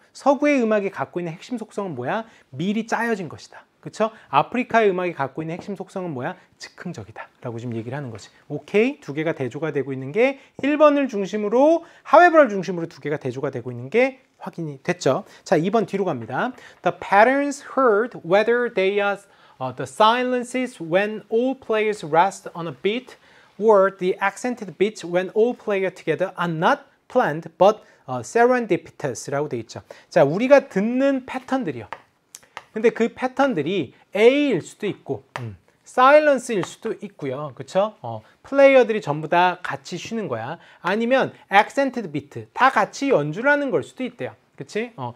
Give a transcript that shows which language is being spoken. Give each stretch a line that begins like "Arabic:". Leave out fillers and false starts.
Korean: 서구의 음악이 갖고 있는 핵심 속성은 뭐야? 미리 짜여진 것이다. 그렇죠? 아프리카의 음악이 갖고 있는 핵심 속성은 뭐야? 즉흥적이다 라고 지금 얘기를 하는 거지. 오케이? 두 개가 대조가 되고 있는 게 1번을 중심으로 however를 중심으로 두 개가 대조가 되고 있는 게 확인이 됐죠. 자, 2번 뒤로 갑니다.
English: The patterns heard whether they are the silences when all players rest on a beat or the accented beats when all players together are not planned but serendipitous
Korean: 라고 돼 있죠. 자, 우리가 듣는 패턴들이요. 근데 그 패턴들이 A일 수도 있고 silence일 수도 있고요. 그렇죠? 플레이어들이 전부 다 같이 쉬는 거야. 아니면 accented beat 다 같이 연주를 하는 걸 수도 있대요. 그치?